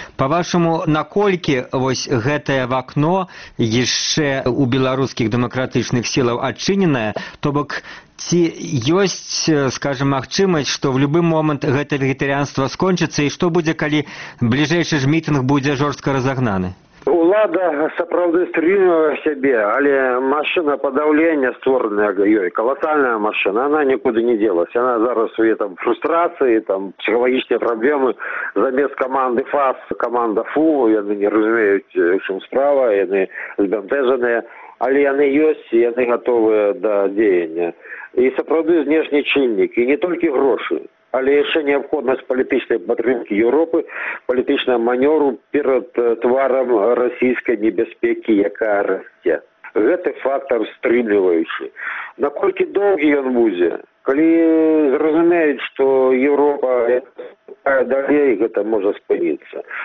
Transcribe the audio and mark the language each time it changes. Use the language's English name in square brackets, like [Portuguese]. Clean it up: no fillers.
[Russian] По-вашему, [Belarusian] накольки вось гэтае вакно [Russian] еще у белорусских демократичных сил отчиненное, [Belarusian] то бок ці ёсць, [Russian] скажем, магчымасць, что в любы момент гэта вегетарианство скончится, и что будет, коли ближайший ж митинг будет жорстко разогнаны? [Belarusian] Улада сапраўды стрымлівае сябе, але машына падаўлення, створаная ёй, калатальная машына, [Russian] она нікуды не дзелася. Она зараз [Belarusian] у яе там фрустрацыі, там псіхалагічныя праблемы, замест каманды ФАС, каманда ФУ, яны не разумеюць, у чым справа, яны збянтэжаныя, але яны ёсць, яны гатовыя да дзеяння. І сапраўды знешні чыннік, і не толькі грошы. [Russian] Але еще необходимость политической поддержки Европы, политического маневра [Belarusian] перед тваром российской небезпеки, якая растет. [Russian] Это фактор стримливающий. Насколько долгий он будет? [Belarusian] Коли зрозумеют, [Russian] что Европа далее, это может спиниться.